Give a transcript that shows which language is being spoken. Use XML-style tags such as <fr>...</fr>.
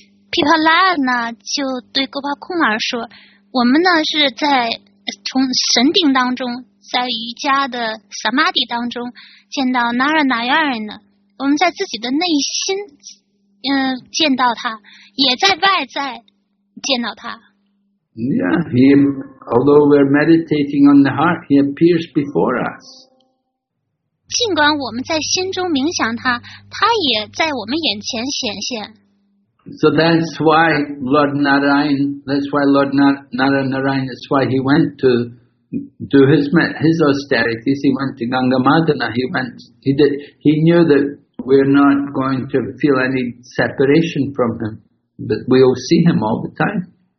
<zh>Pipalana 就对 Gopa Kumar 说，我们呢是在从神定当中，在瑜伽的 samadhi 当中见到 Naranarayan 的，我们在自己的内心见到他，也在外在见到他。</zh> <en>Yeah, he, although we're meditating on the heart, he appears before us.</en> <zh>尽管我们在心中冥想他，他也在我们眼前显现。</zh> <en>So that's why Lord Narayan, that's why he went to do his austerities. He went to Ganga Madana. He knew that. We're not going to feel any separation from him, but we'll see him all the time.</en>